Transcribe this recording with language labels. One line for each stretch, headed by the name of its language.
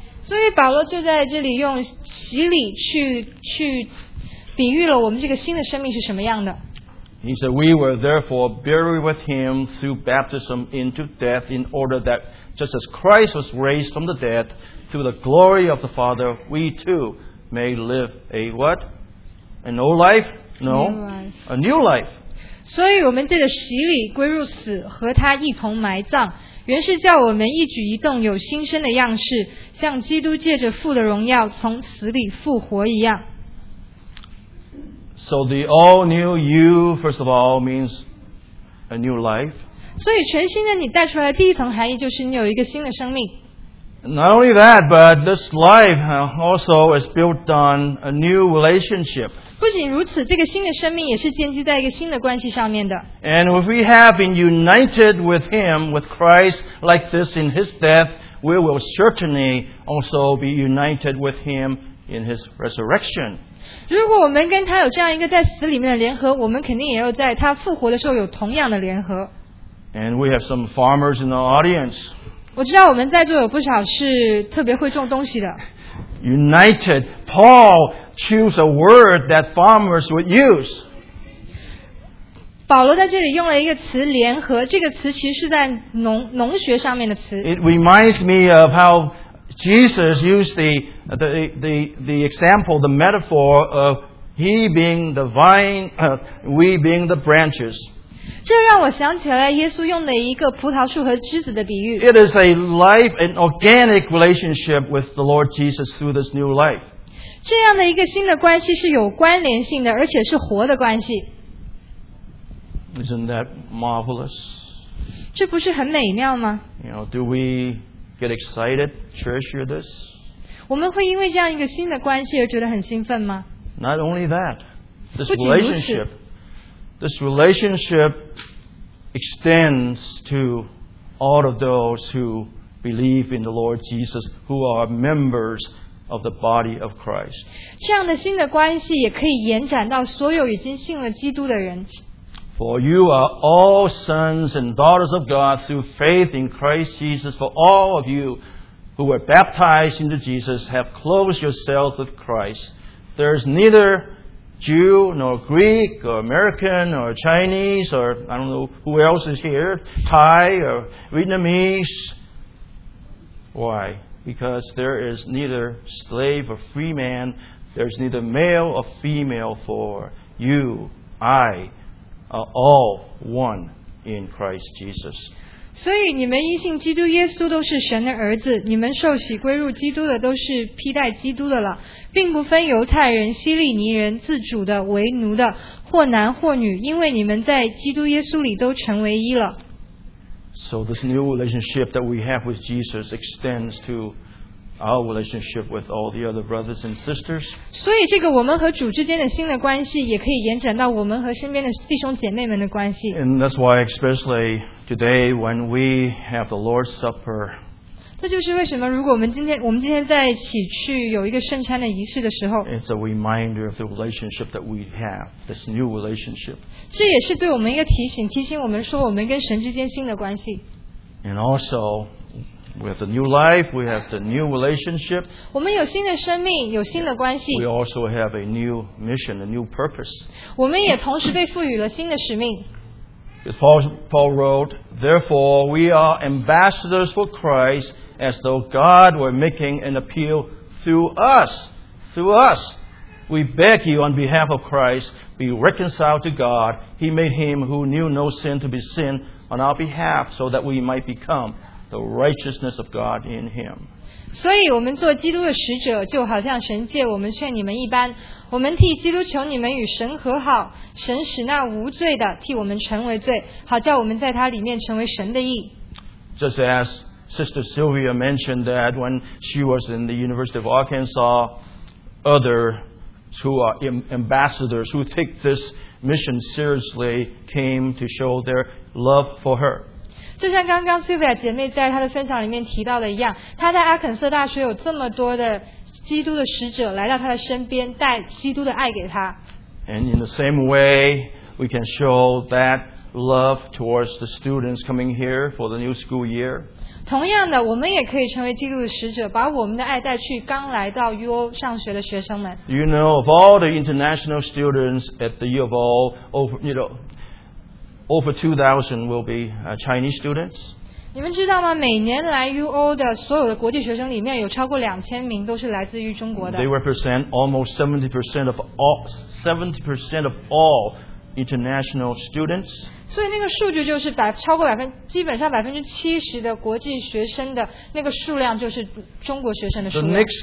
Chinese: 所以保罗就在这里用洗礼去比喻了我们这个新的生命是什么样的。
English: He said, we were therefore buried with him through baptism into death in order that just as Christ was raised from the dead through the glory of the Father, we too may live a what? An old life? No. A new life.
Chinese: 所以我们借着洗礼归入死和他一同埋葬，原是叫我们一举一动有新生的样式，像基督借着父的荣耀从死里复活一样。
English: So the all new you, first of all, means a new life.
Chinese: 所以全新的你带出来的第一层含义就是你有一个新的生命。
English: Not only that, but this life also is built on a new relationship.
Chinese: 不仅如此，这个新的生命也是建基在一个新的关系上面的。
English: And if we have been united with Him, with Christ, like this in His death, we will certainly also be united with him in his resurrection.
Chinese: 如果我们跟他有这样一个在死里面的联合，我们肯定也要在他复活的时候有同样的联合。
English: And we have some farmers in the audience.
Chinese: 我知道我们在座有不少是特别会种东西的。
English: United, Paul choose a word that farmers would use.
Chinese: 保罗在这里用了一个词联合，这个词其实是在农学上面的词。
English: It reminds me of how Jesus used the example, the metaphor of he being the vine, we being the branches.
Chinese: 这让我想起来耶稣用的一个葡萄树和枝子的比喻。
English: It is a life, an organic relationship with the Lord Jesus through this new life.
Chinese: 这样的一个新的关系是有关联性的，而且是活的关系。
English: Isn't that marvelous?
Chinese: 这不是很美妙吗？
English: Do we get excited, treasure this?
Chinese: 我们会因为这样一个新的关系而觉得很兴奋吗？
English: Not only that, this relationship extends to all of those who believe in the Lord Jesus, who are members of the body of Christ.
Chinese: 这样的新的关系也可以延展到所有已经信了基督的人。
English: For you are all sons and daughters of God through faith in Christ Jesus. For all of you who were baptized into Jesus have closed yourselves with Christ. There is neither Jew nor Greek or American or Chinese or I don't know who else is here, Thai or Vietnamese. Why? Because there is neither slave or free man. There is neither male or female for you, I. All one in Christ Jesus.
Chinese: 所以你们因信基督耶稣都是神的儿子，你们受洗归入基督的都是披戴基督的了，并不分犹太人、希利尼人、自主的、为奴的，或男或女，因为你们在基督耶稣里都成为一了。
English: So this new relationship that we have with Jesus extends to our relationship with all the other brothers and sisters.
Chinese: 所以这个我们和主之间的新的关系也可以延展到我们和身边的弟兄姐妹们的关系。
English: And that's why especially today when we have the Lord's Supper,
Chinese: 这就是为什么如果我们今天在一起去有一个圣餐的仪式的时候，
English: It's a reminder of the relationship that we have, this new relationship.
Chinese: 这也是对我们一个提醒，提醒我们说我们跟神之间新的关系。
English: And also,We have the new life, we have the new relationship.
Chinese: 我们有新的生命，有新的关系。
English: We also have a new mission, a new purpose.
Chinese: 我们也同时被赋予了新的使命。
English: As Paul wrote, therefore we are ambassadors for Christ as though God were making an appeal through us. Through us. We beg you on behalf of Christ, be reconciled to God. He made him who knew no sin to be sin on our behalf so that we might become... The righteousness of God in Him.
Chinese: 所以我们做基督的使者，就好像神借我们劝你们一般，我们替基督求你们与神和好，神使那无罪的替我们成为罪，好叫我们在他里面成为神的义。
English: Just as Sister Sylvia mentioned that when she was in the University of Arkansas, others who are ambassadors who take this mission seriously came to show their love for her.
Chinese: 就像刚刚 Sylvia 姐妹在她的分享里面提到的一样，她在阿肯色大学有这么多的基督的使者来到她的身边，带基督的爱给她。
English: And in the same way, we can show that love towards the students coming here for the new school year.
Chinese: 同样的，我们也可以成为基督的使者，把我们的爱带去刚来到 UO 上学的学生们。
English: You know, of all the international students at the U of O, over 2,000 will be Chinese students.
Chinese: 你们知道吗？每年来 UO 的所有的国际学生里面，有超过2000名都是来自于中国的。
English: They represent almost 70% of all international students.
Chinese: 所以那个数据就是超过基本上70%的国际学生的那个数量就是中国学生的数量。